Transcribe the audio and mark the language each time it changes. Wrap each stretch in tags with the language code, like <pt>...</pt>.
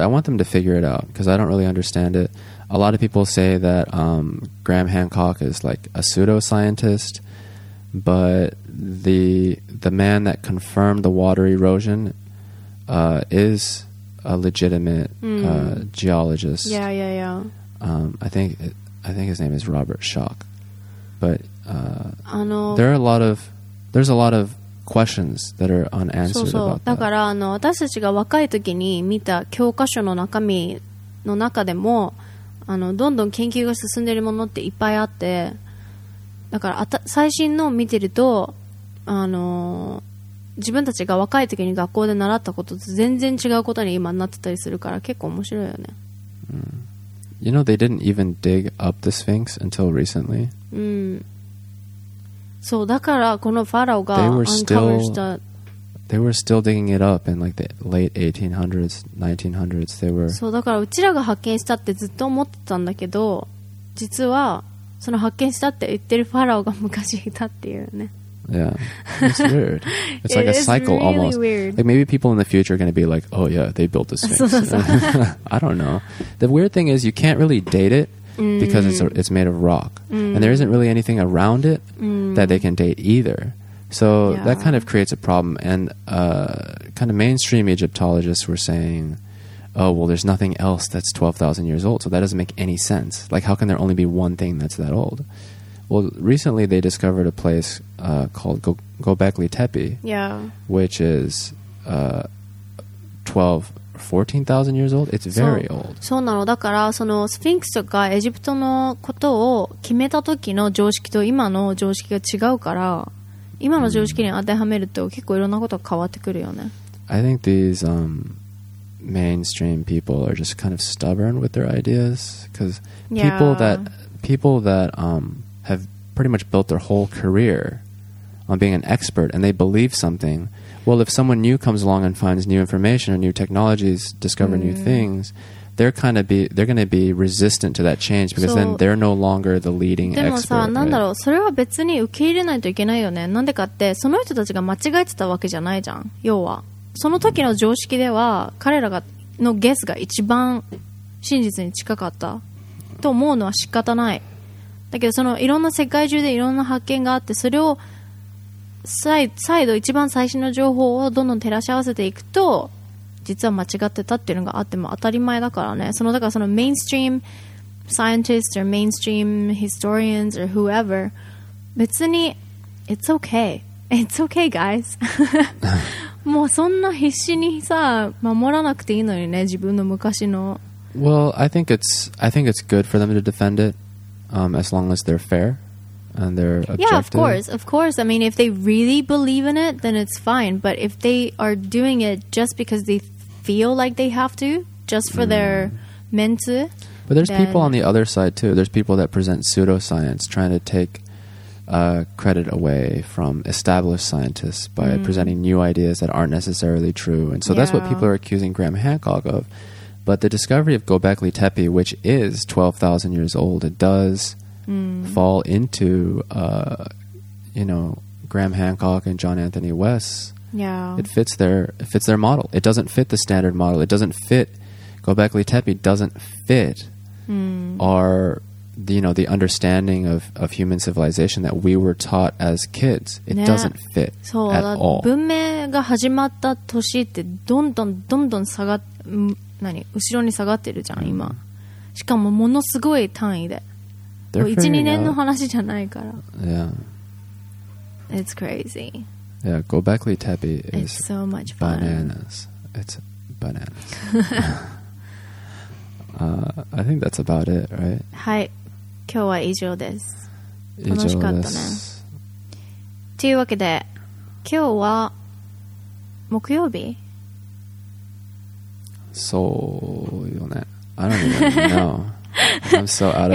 <en>I want them to figure it out because I don't really understand it. A lot of people say that Graham Hancock is like a pseudoscientist, but the man that confirmed the water erosion is a legitimate geologist. Yeah. I think his name is Robert Schock. But there's a lot of questions that are unanswered about that.</en> <ja>だからあの私たちが若い時に見た教科書の中身の中でもあのどんどん研究が進んでいるものっていっぱいあってだから最新のを見てるとあの自分たちが若い時に学校で習ったことと全然違うことに今なってたりするから結構面白いよね、</ja> <en>You know they didn't even dig up the Sphinx until recently?</en> <ja>そうだからこのファラオが</ja> <en>they were, still, they were still digging it up in like the late 1800s, 1900s they were...</en> <ja>そうだからうちらが発見したってずっと思ってたんだけど実はその発見したって言ってるファラオが昔いたっていうね</ja> <en>Yeah, it's weird. It's like it a cycle really almost. Weird. Like maybe people in the future are going to be like, oh yeah, they built the Sphinx. I don't know. The weird thing is you can't really date it because it's made of rock. And there isn't really anything around it that they can date either. So that kind of creates a problem. And kind of mainstream Egyptologists were saying, oh, well, there's nothing else that's 12,000 years old. So that doesn't make any sense. Like how can there only be one thing that's that old? Well, recently they discovered a place called Göbekli Tepe, which is 14,000 years old. It's very old.</en> <ja>そうなの。だからそのスフィンクスとかエジプトのことを決めた時の常識と今の常識が違うから、今の常識に当てはめると結構いろんなことが変わってくるよね。</ja> <en>I think these mainstream people are just kind of stubborn with their ideas because people that have pretty much built their whole career on being an expert and they believe something. Well, if someone new comes along and finds new information or new technologies, discover new things, they're going to be resistant to that change because then they're no longer the leading expert.</en> <ja>でもさ、なんだろう、それは別に受け入れないといけないよね。なんでかって、その人たちが間違えてたわけじゃないじゃん。要は。その時の常識では、彼らがのゲスが一番真実に近かったと思うのは仕方ない。だけどそのいろんな世界中でいろんな発見があってそれを再度一番最新の情報をどんどん照らし合わせていくと実は間違ってたっていうのがあっても当たり前だからねそのだからそのメインストリームサイエンティストやメインストリームヒストリアンズや</ja> <en>whoever</en> <ja>別に</ja> <en>It's okay It's okay guys</en> <ja>もうそんな必死にさ守らなくていいのにね自分の昔の</ja> <en>Well I think it's good for them to defend itas long as they're fair and they're objective. Yeah, of course. I mean, if they really believe in it, then it's fine. But if they are doing it just because they feel like they have to, just for their mentu, But there's people on the other side, too. There's people that present pseudoscience, trying to take credit away from established scientists by presenting new ideas that aren't necessarily true. And so that's what people are accusing Graham Hancock of. But the discovery of Göbekli Tepe, which is 12,000 years old, it does fall into, you know, Graham Hancock and John Anthony West. Yeah. It fits their model. It doesn't fit the standard model. Göbekli Tepe doesn't fit the understanding of human civilization that we were taught as kids. It doesn't fit at all.</en> <ja>文明が始まった年ってどんどん下がって、何後ろに下がってるじゃん今しかもものすごい単位で 1,2 年の話じゃないから</ja> <en>Yeah It's crazy Yeah, Göbekli Tepe is It's so much fun Bananas It's bananas I think that's about it, right?</en> <ja>はい今日は以上です楽しかったねというわけで今日は木曜日そうよね。</ja> <en>I don't even know. I'm so out of it.</en>